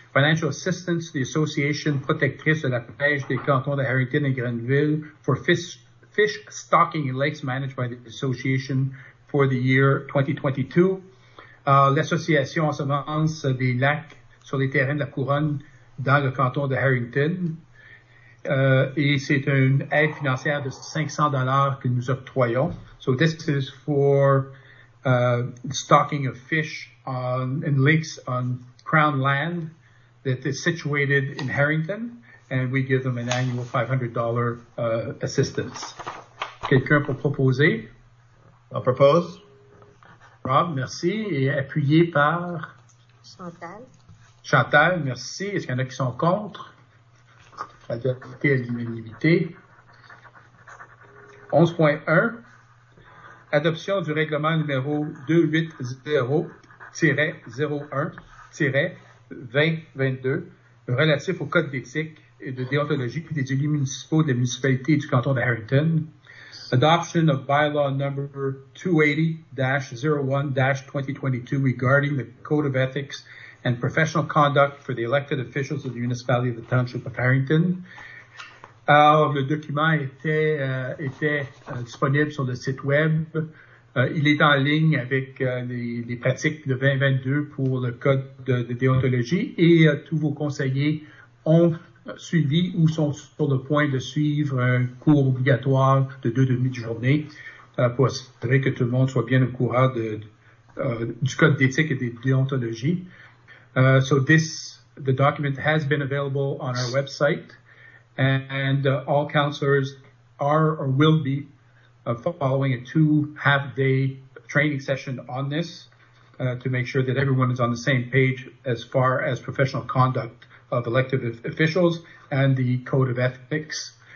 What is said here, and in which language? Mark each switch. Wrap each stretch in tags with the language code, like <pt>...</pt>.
<en>Financial assistance to the Association Protectrice de la Pêche des Cantons de Harrington et Grenville for fish stocking in lakes managed by the Association for the year 2022.</en> <fr>L'association ensemence des lacs sur les terrains de la couronne dans le canton de Harrington. Et c'est une aide financière de $500 que nous octroyons.</fr> <en>So this is for stocking of fish in lakes on Crown land that is situated in Harrington, and we give them an annual $500 assistance.</en> <fr>Quelqu'un pour proposer?</fr> <en>I'll propose.</en> <fr>Rob, merci. Et appuyé par? Chantal. Chantal, merci. Est-ce qu'il y en a qui sont contre? Adopté à l'unanimité. 11.1, adoption du règlement numéro 280-01-2022 relatif au code d'éthique et de déontologie des élus municipaux de la municipalité du canton de Harrington.</fr> <en>Adoption of bylaw number 280-01-2022 regarding the code of ethics and professional conduct for the elected officials of the municipality of the township of Harrington.</en> <fr>Alors, le document était disponible sur le site web. Il est en ligne avec les pratiques de 2022 pour le code de déontologie et tous vos conseillers ont suivi ou sont sur le point de suivre un cours obligatoire de 2 demi-journées pour assurer que tout le monde soit bien au courant du code d'éthique et de déontologie.</fr> <en>The document has been available on our website. And all counselors are or will be following a 2.5-day training session on this to make sure that everyone is on the same page as far as professional conduct of elected officials and the code of ethics.</en>